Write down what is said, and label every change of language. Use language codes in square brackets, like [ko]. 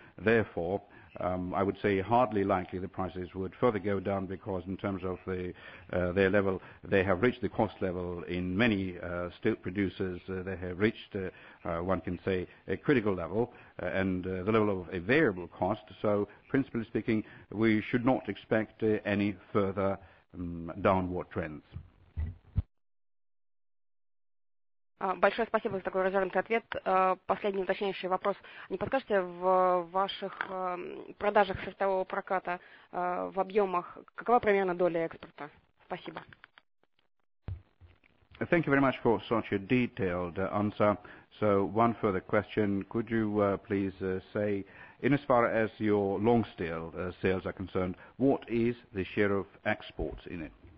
[en] Therefore, I would say hardly likely the prices would further go down, because in terms of the their level, they have reached the cost level in many steel producers. They have reached, one can say, a critical level and the level of a variable cost. So, principally speaking, we should not expect any further downward trends. [ru] Большое спасибо за такой развернутый ответ. Последний уточняющий вопрос. Не подскажете, в ваших продажах сырьевого проката в объемах, какова примерно доля экспорта? Спасибо. [en] Thank you very much for such a detailed answer. So one further question. Could you please say, in as far as your long steel sales are concerned, what is the share of exports in it?